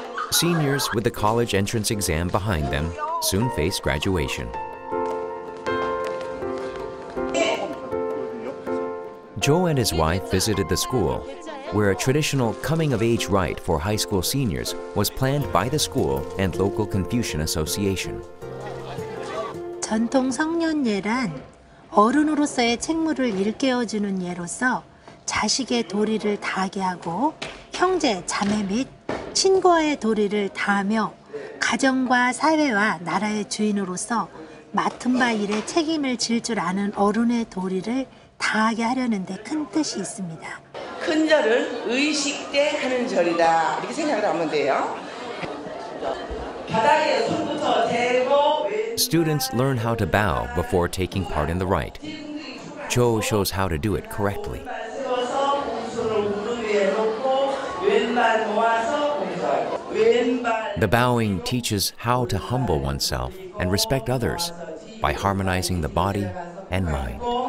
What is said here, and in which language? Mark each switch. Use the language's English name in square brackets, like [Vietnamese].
[English] Seniors with the college entrance exam behind them soon face graduation. Jo and his wife visited the school, where a traditional coming-of-age rite for high school seniors was planned by the school and local Confucian Association. [Korean] 전통 성년 예란 어른으로서의 책무를 일깨워주는 예로서 자식의 도리를 다하게 하고 형제 자매 및 친구와의 도리를 다하며 가정과 사회와 나라의 주인으로서 맡은 바 일에 책임을 질 줄 아는 어른의 도리를 다하게 하려는 데 큰 뜻이 있습니다. 큰 절을 의식 때 하는 절이다 이렇게 생각을 하면 돼요. [English] Students learn how to bow before taking part in the rite. Cho shows how to do it correctly. The bowing teaches how to humble oneself and respect others by harmonizing the body and mind.